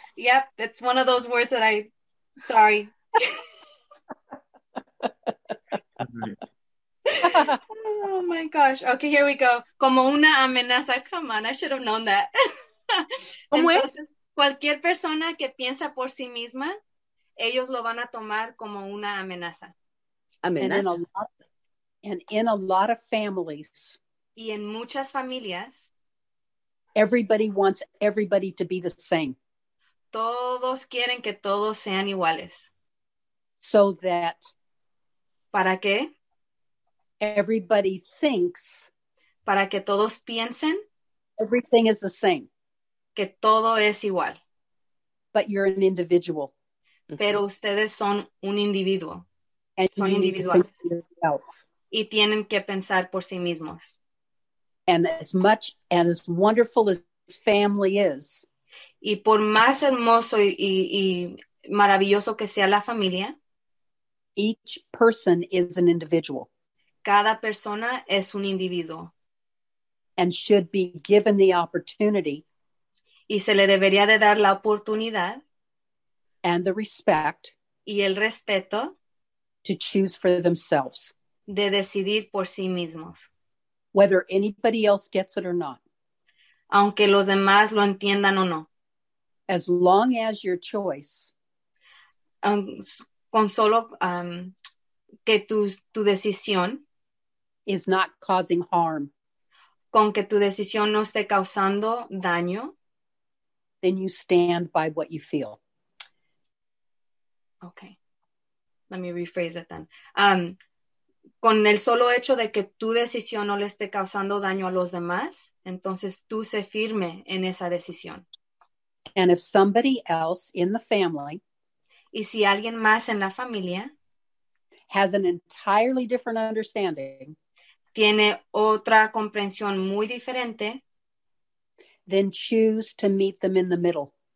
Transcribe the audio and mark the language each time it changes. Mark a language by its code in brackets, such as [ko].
[en] Yep, it's one of those words that I, sorry. Oh my gosh. Okay, here we go. [es] Como una amenaza. [en] Come on, I should have known that. [es] ¿Cómo es? Cualquier persona que piensa por sí misma, ellos lo van a tomar como una amenaza. Amenaza. [en] And in a lot of families. [es] Y en muchas familias. [en] Everybody wants everybody to be the same. [es] Todos quieren que todos sean iguales. [en] So that. [es] ¿Para qué? [en] Everybody thinks. [es] Para que todos piensen. [en] Everything is the same. [es] Que todo es igual. [en] But you're an individual. [es] Pero ustedes son un individuo. And son individuales. Y tienen que pensar por sí mismos. [en] And as much and as wonderful as family is. [es] Y por más hermoso y maravilloso que sea la familia. [en] Each person is an individual. [es] Cada persona es un individuo. [en] And should be given the opportunity. [es] Y se le debería de dar la oportunidad. [en] And the respect. [es] Y el respeto. [en] To choose for themselves. [es] De decidir por sí mismos. [en] Whether anybody else gets it or not. [es] Aunque los demás lo entiendan o no. [en] As long as your choice. [es] Con solo que tu decisión. [en] Is not causing harm. [es] Con que tu decisión no esté causando daño. [en] Then you stand by what you feel. Okay. Let me rephrase it then. [es] Con el solo hecho de que tu decisión no le esté causando daño a los demás, entonces tú sé firme en esa decisión. [en] And if somebody else in the family. [es] Y si alguien más en la familia. [en] Has an entirely different understanding. [es] Tiene otra comprensión muy diferente. [en] Then choose to meet them in the middle.